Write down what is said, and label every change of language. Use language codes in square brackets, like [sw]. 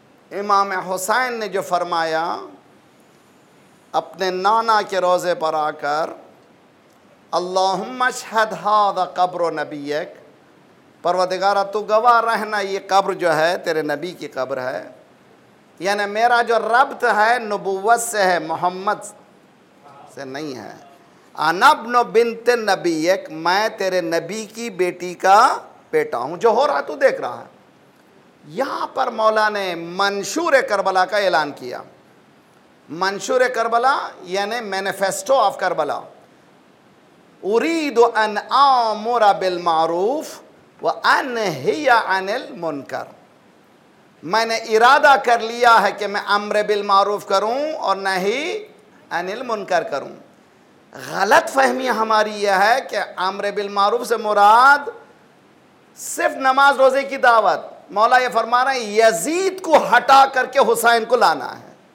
[ur] امام حسین نے جو فرمایا اپنے نانا کے روزے پر آ کر, [ar] اللہم اشہد ھذا قبر نبیک, [ur] پروردگارہ تو گواہ رہنا یہ قبر جو ہے تیرے نبی کی قبر ہے, یعنی میرا جو ربط ہے نبوت سے ہے, محمد سے نہیں ہے. [ar] ان ابن بنت نبیک, [ur] میں تیرے نبی کی بیٹی کا بیٹا ہوں, جو ہو رہا تو دیکھ رہا ہے. یہاں پر مولا نے منشور کربلا کا اعلان کیا. منشور کربلا یعنی مینیفیسٹو آف کربلا, [ar] أريد أن آمر بالمعروف وأنهي عن المنكر. [ur] میں نے ارادہ کر لیا ہے کہ میں امر بالمعروف کروں اور نہ ہی عن المنکر کروں. غلط فہمی ہماری یہ ہے کہ امر بالمعروف سے مراد صرف نماز روزے کی دعوت. مولا یہ فرما رہا ہے یزید کو ہٹا کر کے حسین کو لانا ہے.